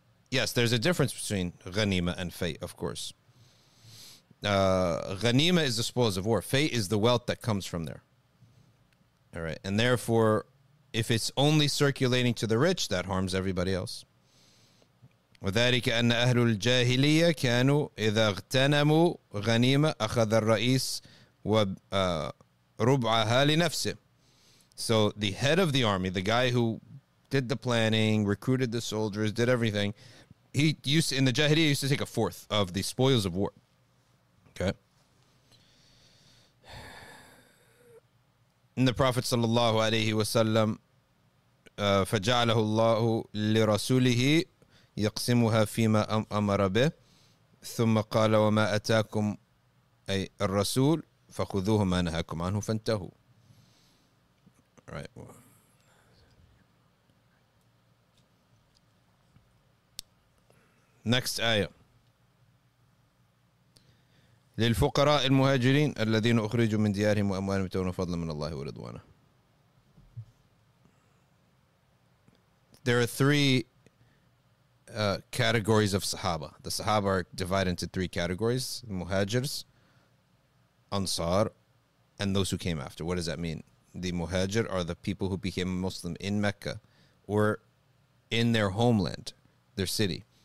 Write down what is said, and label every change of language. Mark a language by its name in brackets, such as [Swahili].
[English] Yes, there's a difference between غنيمة and فيء, of course. Ghanima is the spoils of war. Fate is the wealth that comes from there. All right. And therefore, if it's only circulating to the rich, that harms everybody else. [Arabic] وذلك أن أهل الجاهلية كانوا إذا اغتنموا غنيمة أخذ الرئيس وربعها لنفسه. [English] So the head of the army, the guy who did the planning, recruited the soldiers, did everything, he used to, in the Jahiliyyah, used to take a fourth of the spoils of war. Okay. And the Prophet sallallahu alayhi wa sallam [Arabic] فجعله الله لرسوله يقسمها فيما أمر به ثم قال وما أتاكم أي الرسول فخذوه ما نهاكم عنه فانتهوا. [English] Right. Next ayah. [Arabic] للفقراء المهاجرين الذين أخرجوا من ديارهم وأموالهم يبتغون فضلا من الله ورضوانه. [English] There are three categories of Sahaba. The Sahaba are divided into three categories: Muhajirs, Ansar, and those who came after. What does that mean? The Muhajir are the people who became Muslim in Mecca or in their homeland, their city.